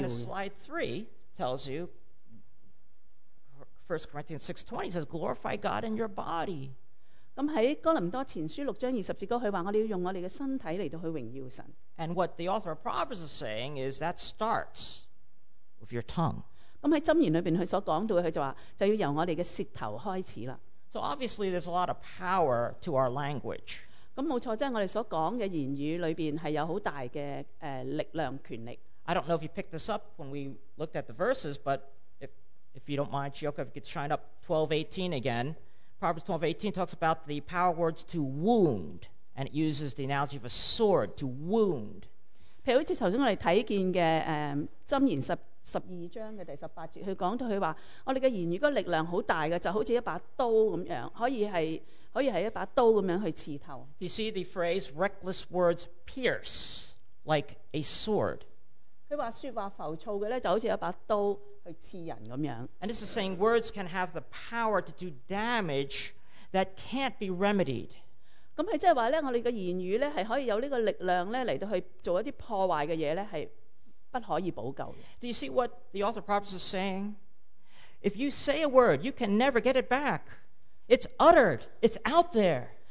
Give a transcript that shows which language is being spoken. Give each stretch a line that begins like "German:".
English: And slide 3 tells you, 1 Corinthians 6:20 says, "Glorify God in your body."
Cantonese: 咁喺哥林多前书六章二十节嗰，佢话我哋要用我哋嘅身体嚟到去荣耀神。
English: And what the author of Proverbs is saying is that starts with your tongue.
Cantonese: 咁喺箴言里边佢所讲到嘅，佢就话就要由我哋嘅舌头开始啦。
English: So obviously there's a lot of power to our language.
Cantonese: 咁冇错，即系我哋所讲嘅言语里边系有好大嘅力量权力。
English: I don't know if you picked this up when we looked at the verses, but if you don't mind, Chioka, if you could shine up 12:18 again. Proverbs 12:18 talks about the power words to wound, and it uses the analogy of a sword to wound.
Cantonese: 譬如好似頭先我哋睇見嘅箴言十二章嘅第十八節，佢講到佢話我哋嘅言語個力量好大嘅，就好似一把刀咁樣，可以係一把刀咁樣去刺透。
English: You see the phrase reckless words pierce like a sword.
Cantonese: 佢話説話浮躁嘅咧，就好似一把刀。
English: And this is saying words can have the power to do damage that can't be remedied.
Cantonese: 咁係即係話咧，我哋嘅言語咧係可以有呢個力量咧嚟到去做一啲破壞嘅嘢咧，係不可以補救嘅。
English: Do you see what the author of Proverbs is saying? If you say a word, you can never get it back. It's uttered. It's out there.